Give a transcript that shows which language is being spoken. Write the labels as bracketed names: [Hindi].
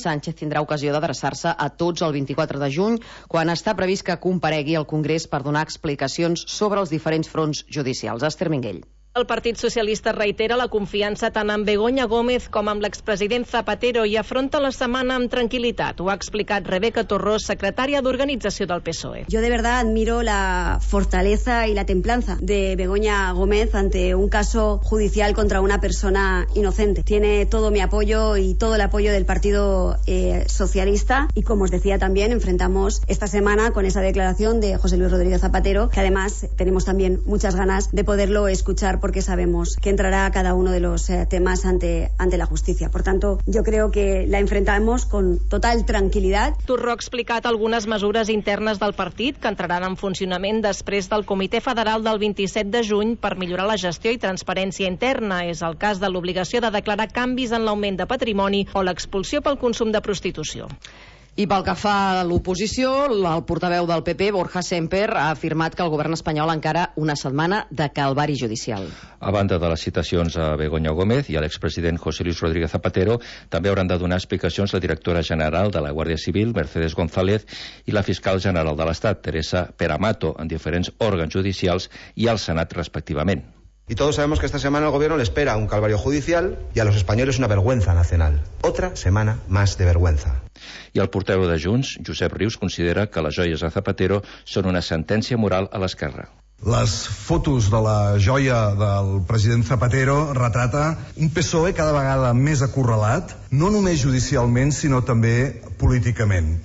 [Catalan] Sánchez tindrà ocasió d'adreçar-se a tots el 24 de juny, quan està previst que comparegui al Congrés per donar explicacions sobre els diferents fronts judicials. Esther Minguell. El Partit Socialista reitera la confiança tant en Begoña Gómez com amb l'expresident Zapatero i afronta la setmana amb tranquil·litat. Ho ha explicat Rebeca Torró, secretària d'Organització del PSOE. [Spanish] Yo de verdad admiro la fortaleza y la templanza de Begoña Gómez ante un caso judicial contra una persona inocente. Tiene todo mi apoyo y todo el apoyo del Partido Socialista. Y como os decía también, enfrentamos esta semana con esa declaración de José Luis Rodríguez Zapatero, que además tenemos también muchas ganas de poderlo escuchar porque sabemos que entrará cada uno de los temas ante la justícia. Por tanto, yo creo que la enfrentamos con total tranquilidad. [Catalan] Torró ha explicat algunes mesures internes del partit que entraran en funcionament després del Comitè Federal del 27 de juny per millorar la gestió i transparència interna. És el cas de l'obligació de declarar canvis en l'augment de patrimoni o l'expulsió pel consum de prostitució. I pel que fa a l'oposició, el portaveu del PP, Borja Sémper, ha afirmat que el govern espanyol encara una setmana de calvari judicial. A banda de les citacions a Begoña Gómez i a l'expresident José Luis Rodríguez Zapatero, també hauran de donar explicacions la directora general de la Guàrdia Civil, Mercedes González, i la fiscal general de l'Estat, Teresa Peramato, en diferents òrgans judicials i al Senat, respectivament. [Spanish] Y todos sabemos que esta semana el gobierno le espera un calvario judicial y a los españoles una vergüenza nacional. Otra semana más de vergüenza. [Catalan] I el portaveu de Junts, Josep Rius, considera que les joies de Zapatero són una sentència moral a l'esquerra. Les fotos de la joia del president Zapatero retrata un PSOE cada vegada més acorralat, no només judicialment, sinó també políticament.